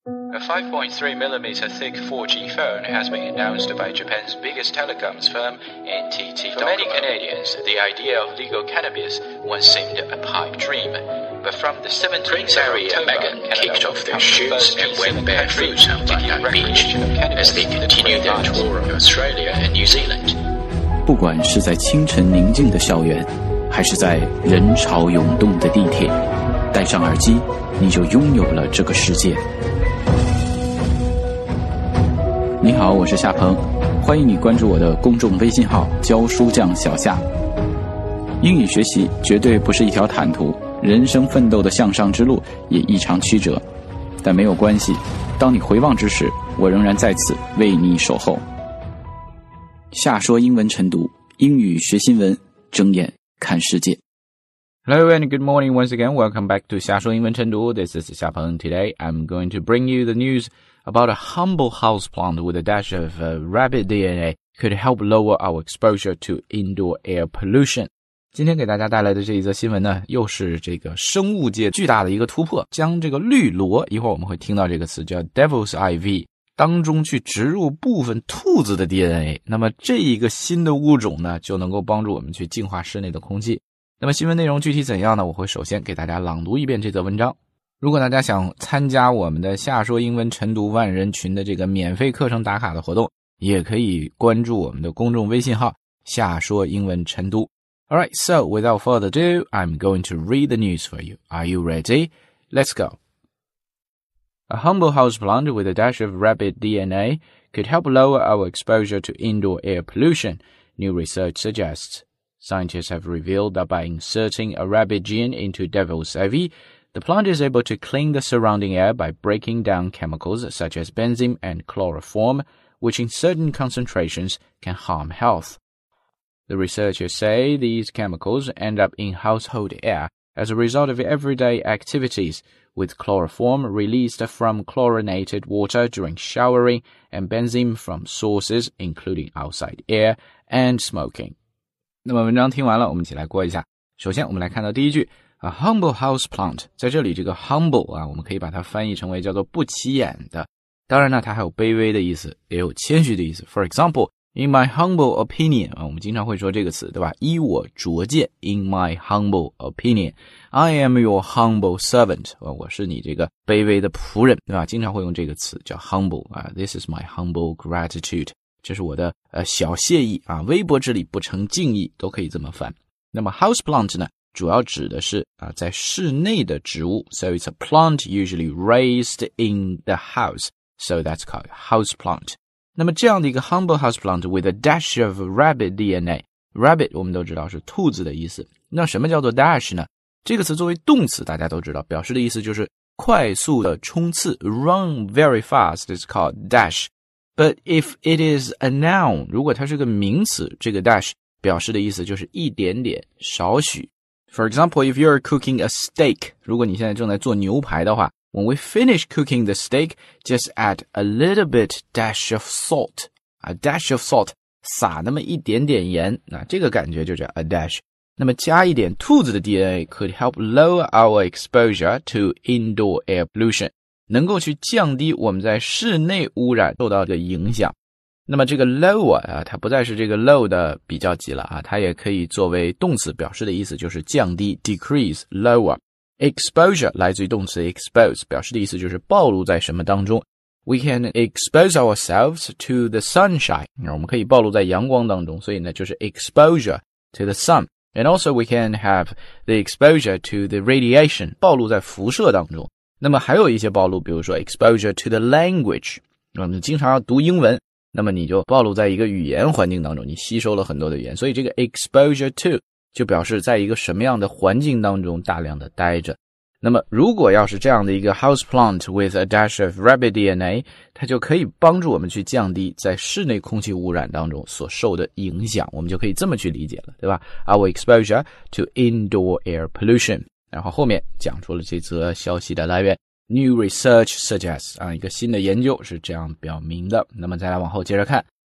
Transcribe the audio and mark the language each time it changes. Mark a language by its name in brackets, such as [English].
[English] A 5.3mm thick 4G phone has been announced by Japan's biggest telecoms firm, NTT Docomo. For many Canadians, the idea of legal cannabis once seemed a pipe dream. But from the 17th of October, Megan kicked off their shoots and went barefoot on Bondi Beach as they continued their tour of Australia and New Zealand. [Chinese] 不管是在清晨宁静的校园，还是在人潮涌动的地铁，戴上耳机，你就拥有了这个世界。你好，我是夏鹏，欢迎你关注我的公众微信号教书匠小夏。英语学习绝对不是一条坦途，人生奋斗的向上之路也异常曲折，但没有关系，当你回望之时，我仍然在此为你守候。夏说英文晨读，英语学新闻，睁眼看世界。 [English] Hello and good morning once again. Welcome back to 夏说英文晨读. This is 夏鹏. Today, I'm going to bring you the news about a humble houseplant with a dash of rabbit DNA could help lower our exposure to indoor air pollution. [Chinese] 今天给大家带来的这一则新闻呢，又是这个生物界巨大的一个突破，将这个绿萝，一会儿我们会听到这个词叫 Devil's Ivy, 当中去植入部分兔子的 DNA, 那么这一个新的物种呢，就能够帮助我们去净化室内的空气。那么新闻内容具体怎样呢？我会首先给大家朗读一遍这则文章。如果大家想参加我们的夏说英文晨读万人群的这个免费课程打卡的活动，也可以关注我们的公众微信号夏说英文晨读。 [English] Alright, so without further ado, I'm going to read the news for you. Are you ready? Let's go. A humble houseplant with a dash of rabbit DNA could help lower our exposure to indoor air pollution, new research suggests. Scientists have revealed that by inserting a rabbit gene into Devil's Ivy, the plant is able to clean the surrounding air by breaking down chemicals such as benzene and chloroform, which in certain concentrations can harm health. The researchers say these chemicals end up in household air as a result of everyday activities, with chloroform released from chlorinated water during showering and benzene from sources including outside air and smoking. [Chinese] 那么文章听完了，我们一起来过一下。首先我们来看到第一句， [English] A humble houseplant， [Chinese] 在这里这个 humble 啊，我们可以把它翻译成为叫做不起眼的，当然呢它还有卑微的意思，也有谦虚的意思。 [English] For example, in my humble opinion、 [Chinese] 啊、我们经常会说这个词对吧，依我拙见， [English] in my humble opinion, I am your humble servant、 [Chinese] 啊、我是你这个卑微的仆人对吧，经常会用这个词叫 humble、啊、 [English] This is my humble gratitude, [Chinese] 这是我的小谢意啊，微薄之礼不成敬意，都可以这么翻。 [English] 那么 houseplant 呢， [Chinese] 主要指的是啊在室内的植物， [English] So it's a plant usually raised in the house, So that's called houseplant. [Chinese] 那么这样的一个 [English] humble houseplant with a dash of rabbit DNA, [Chinese] rabbit 我们都知道是兔子的意思，那什么叫做 dash 呢？这个词作为动词大家都知道，表示的意思就是快速的冲刺， [English] run very fast is called dashBut if it is a noun, [Chinese] 如果它是个名词，这个 dash 表示的意思就是一点点，少许。 [English] For example, if you're cooking a steak, [Chinese] 如果你现在正在做牛排的话， [English] when we finish cooking the steak, just add a little bit dash of salt. A dash of salt, [Chinese] 撒那么一点点盐，那这个感觉就叫 a dash. 那么加一点兔子的 [English] DNA could help lower our exposure to indoor air pollution. [Chinese] 能够去降低我们在室内污染受到的影响。那么这个 lower 啊，它不再是这个 low 的比较级了啊，它也可以作为动词表示的意思，就是降低 decrease lower exposure 来自于动词 expose 表示的意思就是暴露在什么当中。 [English] We can expose ourselves to the sunshine, [Chinese] 我们可以暴露在阳光当中，所以呢就是 [English] exposure to the sun, and also we can have the exposure to the radiation, [Chinese] 暴露在辐射当中。那么还有一些暴露，比如说 [English] exposure to the language, [Chinese] 你经常要读英文，那么你就暴露在一个语言环境当中，你吸收了很多的语言，所以这个 exposure to 就表示在一个什么样的环境当中大量的待着。那么如果要是这样的一个 [English] houseplant with a dash of rabbit DNA, [Chinese] 它就可以帮助我们去降低在室内空气污染当中所受的影响，我们就可以这么去理解了对吧， [English] Our exposure to indoor air pollution, [Chinese] 然后后面讲出了这则消息的来源， [English] New research suggests、 [Chinese] 啊、一个新的研究是这样表明的。那么再来往后接着看，